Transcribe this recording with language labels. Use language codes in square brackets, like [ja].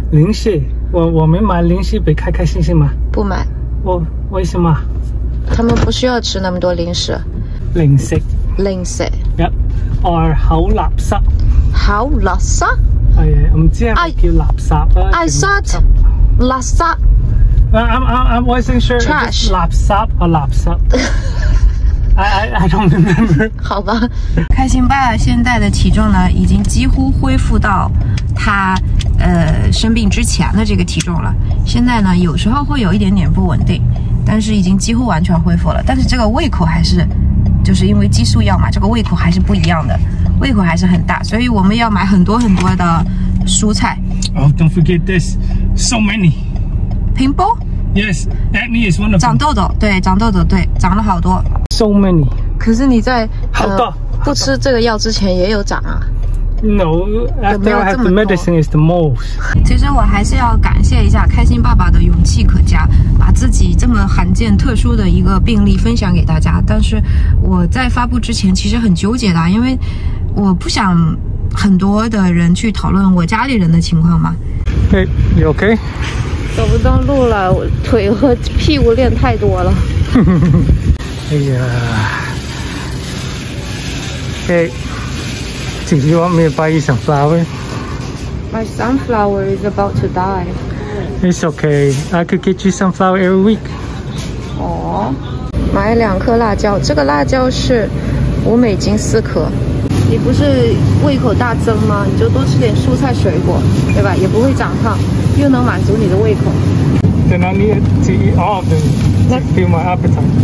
[zh] 零食，我们买零食给开开心心吗？不买。为什么？他们不需要吃那么多零食。零食。零食。 [en] Yep. Or [zh] 好垃圾。好垃圾？哎呀，我们知道叫垃圾啊。 [en] I thought [zh] 垃圾。 [en] I wasn't sure. Trash. 垃圾 or 垃圾。I don't remember. [zh] 好吧，开心爸现在的体重呢，已经几乎恢复到他生病之前的这个体重了。现在呢，有时候会有一点点不稳定，但是已经几乎完全恢复了。但是这个胃口还是，就是因为激素药嘛，这个胃口还是不一样的，胃口还是很大，所以我们要买很多很多的蔬菜。 [en] Oh, don't forget this. So many. [zh] 平波。 [en] Yes, acne is one of. [zh] 长痘痘，对，长痘痘，对，长了好多。 [en] So many. [zh] 可是你在好多不吃这个药之前也有长啊。 [en] No, after I have the medicine is the most. [zh] 其实我还是要感谢一下开心爸爸的勇气可嘉，把自己这么罕见特殊的一个病例分享给大家。但是我在发布之前其实很纠结的，因为我不想很多的人去讨论我家里人的情况嘛。 [en] Hey, you okay? [zh] 走不动路了，我腿和屁股练太多了。哎呀。 [en] Hey. Do you want me to buy you some flowers? My sunflower is about to die. It's okay. I could get you some flowers every week. Oh, [zh] 买两颗辣椒，这个辣椒是五美金四颗。你不是胃口大增吗？你就多吃点蔬菜水果，对吧？也不会长胖，又能满足你的胃口。 [en] Then I need to eat all of them to fill my appetite.